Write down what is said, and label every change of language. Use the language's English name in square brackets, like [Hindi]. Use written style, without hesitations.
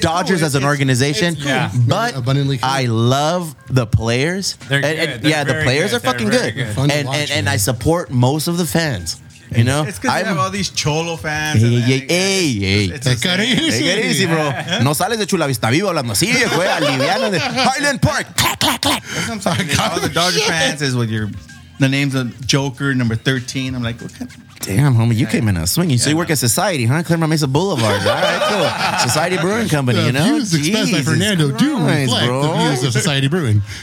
[English] I hate the Dodgers as an organization. It's cool. But I love the players. They're good. The players are fucking good. And I support most of the fans. You know, it's because we have all these cholo fans. Hey, bro. [Spanish] No sales de Chula Vista Viva hablando así, güey. Aliviano de Highland Park. Clack, clack, clack. [English] That's what I'm talking about. All the Dodger fans is with the names of Joker, number 13. I'm like, what kind of. Damn, homie, you came in a swing. So you work at Society, huh? Claremont Mesa Boulevard. All right, cool. Society Brewing Company, you know? Views expressed by Fernando do reflect the views of Society Brewing.